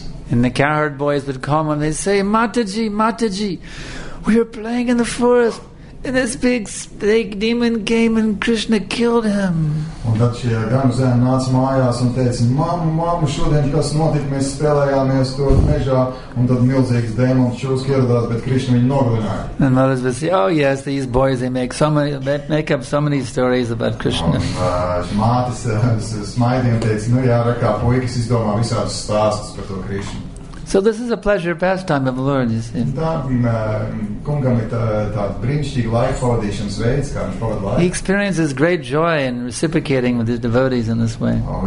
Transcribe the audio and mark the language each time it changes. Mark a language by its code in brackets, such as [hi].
[en] And the cowherd boys would come and they'd say, Mataji, Mataji, we are playing in the forest. And this big snake demon came and Krishna killed him. [lv] Un tad šie gamzēni nāca mājās un teica, mamma, mamma, šodien kas notika, mēs spēlējāmies to mežā, un tad milzīgs dēmons šūs ieradās, bet Krišna viņu nogalināja. [en] And mothers would say, oh yes, these boys, they make up so many stories about Krishna. [lv] Un mātis smaidīja un teica, nu jā, rakā, puikas izdomā visādas stāstus par to Krišnu. [en] So this is a pleasure pastime of the Lord, you see. He experiences great joy in reciprocating with his devotees in this way.